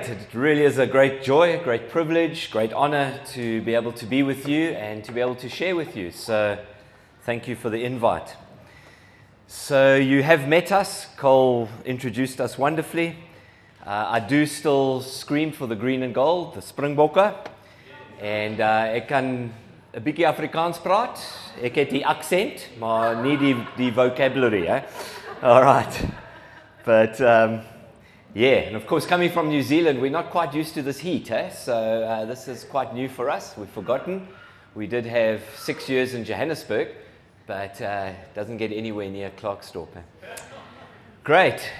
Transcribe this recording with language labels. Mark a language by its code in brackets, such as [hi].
[en] It really is a great joy, a great privilege, great honor to be able to be with you and to be able to share with you. So thank you for the invite. So you have met us. Cole introduced us wonderfully. I do still scream for the green and gold, the Springbokke. [af] And ek kan 'n bietjie Afrikaans praat. Ek het die aksent, maar nie die vocabulary, eh? [en] All right. But, yeah, and of course, coming from New Zealand, we're not quite used to this heat, eh? So this is quite new for us. We've forgotten. We did have 6 years in Johannesburg, but doesn't get anywhere near Klerksdorp. Great.